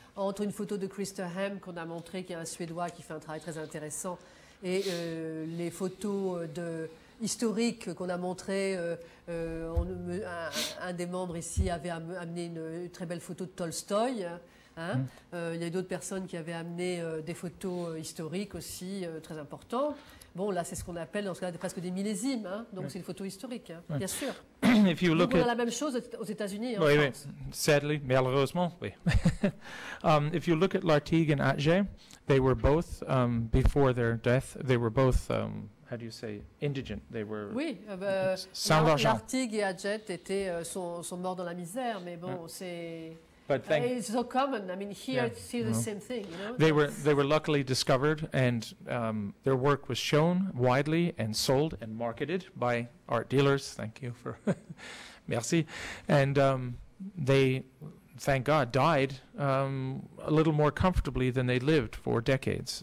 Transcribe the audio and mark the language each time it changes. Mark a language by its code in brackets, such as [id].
[fr] Entre une photo de Christer Hem, qu'on a montré, qui est un Suédois qui fait un travail très intéressant, et les photos historiques qu'on a montrées, un des membres ici avait amené une très belle photo de Tolstoï. Il y a d'autres personnes qui avaient amené des photos historiques aussi, très importantes. Bon, là, c'est ce qu'on appelle, dans ce cas-là, presque des millésimes. Hein? Donc, c'est une photo historique, bien sûr. [en] If you look [fr] on a la même chose aux États-Unis. Oui, oui. [en] Sadly, [fr] malheureusement, oui. [en] if you look at L'Artigue and Atget, they were both, before their death, they were both, how do you say, indigent. They were [fr] sans argent. L'Artigue et Atget sont morts dans la misère, mais bon, c'est... [en] But thank It's so common. I mean, here yeah. it's the same thing. You know? They were luckily discovered, and their work was shown widely and sold and marketed by art dealers. Thank you for, [fr] merci. [en] And they, thank God, died a little more comfortably than they lived for decades.